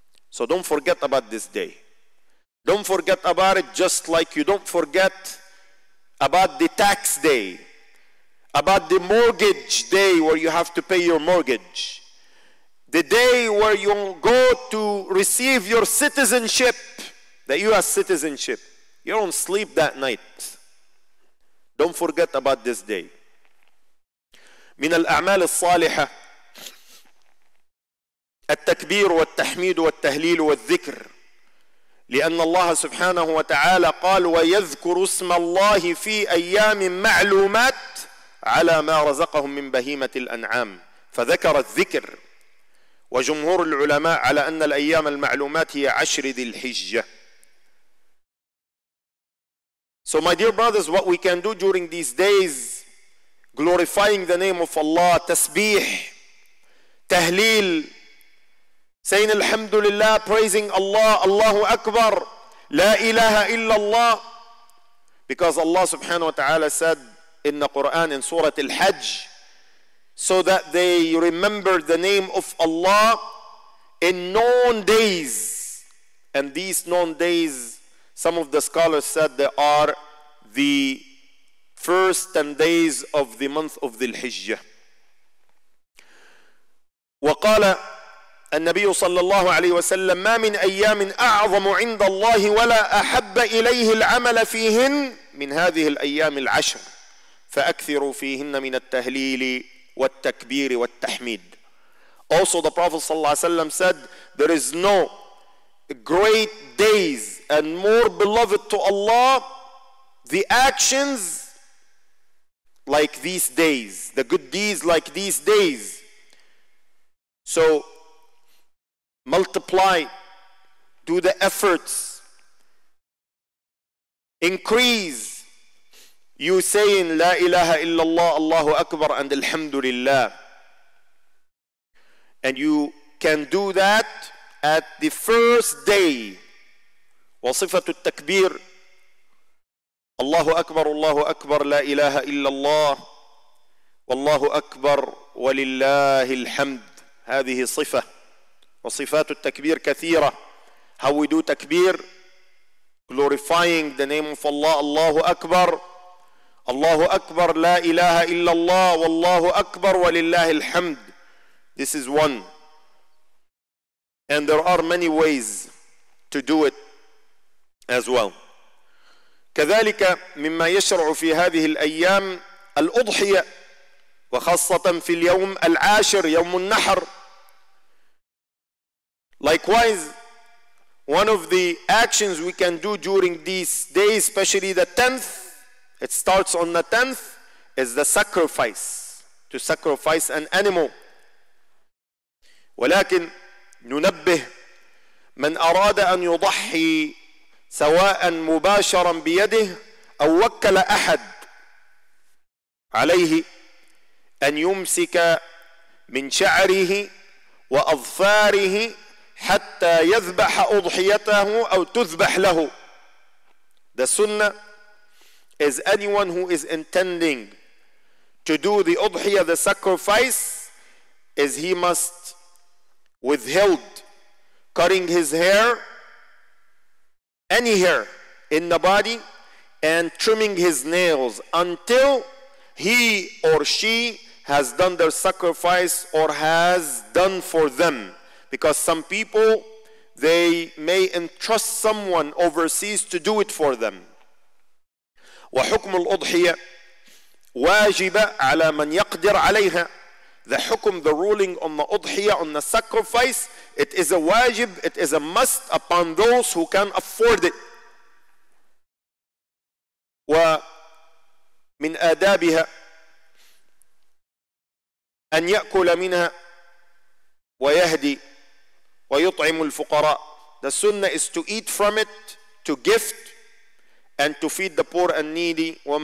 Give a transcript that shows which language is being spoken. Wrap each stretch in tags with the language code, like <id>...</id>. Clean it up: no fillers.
<en>So don't forget about this day. Don't forget about it, just like you don't forget about the tax day, about the mortgage day where you have to pay your mortgage, the day where you go to receive your citizenship, the U.S. citizenship. You don't sleep that night. Don't forget about this day.</en> <ar>من الأعمال الصالحة التكبير والتحميد والتهليل والذكر، لأن الله سبحانه وتعالى قال: ويذكر اسم الله في أيام معلومات على ما رزقهم من بهيمة الأنعام، فذكر الذكر. وجمهور العلماء على أن الأيام المعلومات هي 10 ذي الحجة.</ar> <en>So my dear brothers, what we can do during these days, glorifying the name of Allah, tasbih, tahleel, saying alhamdulillah, praising Allah, Allahu Akbar, la ilaha illallah, because Allah subhanahu wa ta'ala said in the Quran, in Surah Al-Hajj, so that they remember the name of Allah in known days. And these known days, some of the scholars said they are the first 10 days of the month of Dhul Hijjah.</en> <ar>وقال النبي صلى الله عليه وسلم: ما من أيام أعظم عند الله ولا أحب إليه العمل فيهن من هذه الأيام العشر، فأكثروا فيهن من التهليل والتكبير والتحميد.</ar> <en>Also the Prophet</en> <ar>صلى الله عليه وسلم</ar> <en>said, there is no great days and more beloved to Allah the actions like these days, the good deeds like these days. So multiply, do the efforts, increase. You saying La ilaha illallah, Allahu Akbar, and Alhamdulillah. And you can do that at the first day.</en> <ar>وصفة التكبير الله أكبر الله أكبر لا إله إلا الله والله أكبر ولله الحمد. هذه صفة، وصفات التكبير كثيرة.</ar> <en>How we do تكبير: glorifying the name of Allah,</en> <ar>الله أكبر الله أكبر لا إله إلا الله والله أكبر ولله الحمد.</ar> <en>This is one. And there are many ways to do it as well.</en> <ar>كذلك مما يشرع في هذه الأيام الأضحية، وخاصة في اليوم العاشر يوم النحر.</ar> <en>Likewise, one of the actions we can do during these days, especially the 10th, it starts on the 10th, is the sacrifice, to sacrifice an animal.</en> <ar>ولكن ننبه من أراد أن يضحي سواء مباشرا بيده أو وكل أحد عليه أن يمسك من شعره وأظفاره حتى يذبح أضحيته أو تذبح له.</ar> <en>The sunnah is anyone who is intending to do the udhiyah, the sacrifice, is he must withheld cutting his hair, any hair in the body, and trimming his nails until he or she has done their sacrifice or has done for them. Because some people, they may entrust someone overseas to do it for them.</en> <ar>وحكم الأضحية واجبة على من يقدر عليها.</ar> <en>The hukum, the ruling on the udhiyah, on the sacrifice, it is a wajib, it is a must upon those who can afford it.</en> <ar>ومن آدابها أن يأكل منها ويهدي ويطعم الفقراء.</ar> <en>The sunnah is to eat from it, to gift, and to feed the poor and needy.</en>